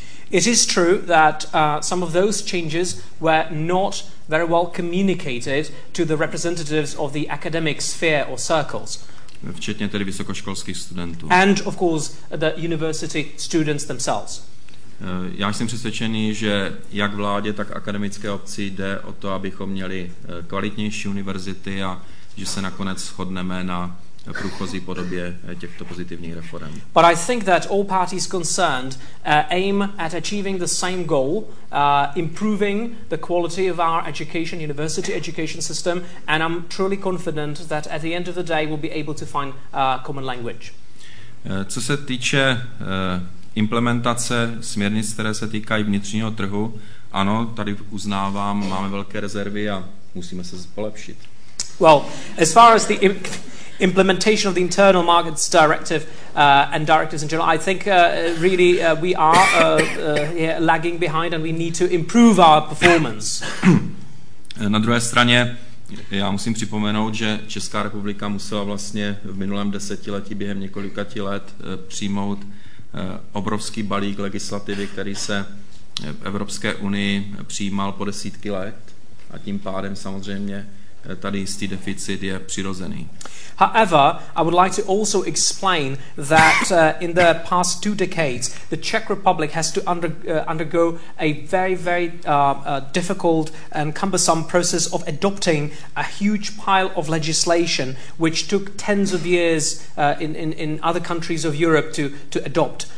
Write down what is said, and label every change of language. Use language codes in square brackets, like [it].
[en] It is true that some of those changes were not very well communicated to the representatives of the academic sphere or circles. [cs] Včetně tedy vysokoškolských studentů. [en] And of course the university students themselves. [cs] Já jsem přesvědčený, že jak vládě, tak akademické obci jde o to, abychom měli kvalitnější univerzity a že se nakonec shodneme na průchozí podobě těchto pozitivních reform. [en] But I think that all parties concerned aim at achieving the same goal, improving the quality of our education, university education system, and I'm truly confident that at the end of the day we'll be able to find common language. [cs] Co se týče implementace směrnic, které se týkají vnitřního trhu, ano, tady uznávám, máme velké rezervy a musíme se polepšit. [en] Well, as far as the implementation of the internal markets directive and directives in general, I think really we are lagging behind and we need to improve our performance. [cs] Na druhé straně já musím připomenout, že Česká republika musela vlastně v minulém desetiletí během několika let přijmout obrovský balík legislativy, který se v Evropské unii přijímal po desítky let a tím pádem samozřejmě tady jistý deficit je přirozený. [en] However, I would like to also explain that in the past two decades, the Czech Republic has to undergo a very, very difficult and cumbersome process of adopting a huge pile of legislation, which took tens of years in other countries of Europe to adopt.